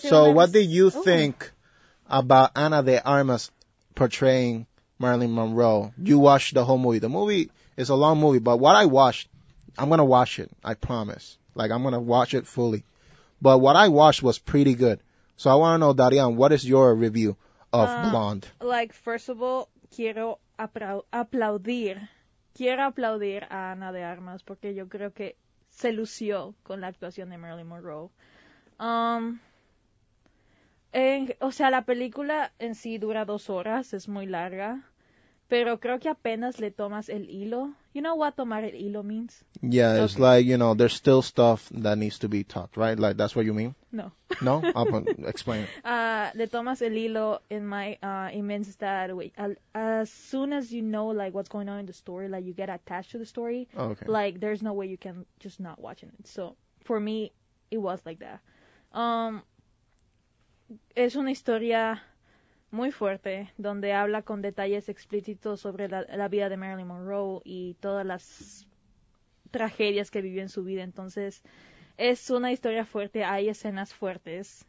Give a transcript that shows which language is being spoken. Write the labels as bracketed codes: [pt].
[en] so what do you think about Ana de Armas portraying Marilyn Monroe? You watched the whole movie. The movie is a long movie, but what I watched, I'm going to watch it. I promise. Like, I'm going to watch it fully. But what I watched was pretty good. So I want to know, Darian, what is your review of Blonde? Like, first of all, [es] quiero aplaudir a Ana de Armas porque yo creo que se lució con la actuación de Marilyn Monroe. La película en sí dura 2 horas, es muy larga. Pero creo que apenas le tomas el hilo. [en] You know what [es] tomar el hilo [en] means? Yeah, okay. It's like, you know, there's still stuff that needs to be taught, right? Like, that's what you mean? No. No? I'll explain. [es] Le tomas el hilo [en] in my, it means that as soon as you know, like, what's going on in the story, like, you get attached to the story. Okay. Like, there's no way you can just not watch it. So, for me, it was like that. [es] Es una historia muy fuerte, donde habla con detalles explícitos sobre la vida de Marilyn Monroe y todas las tragedias que vivió en su vida. Entonces, es una historia fuerte, hay escenas fuertes.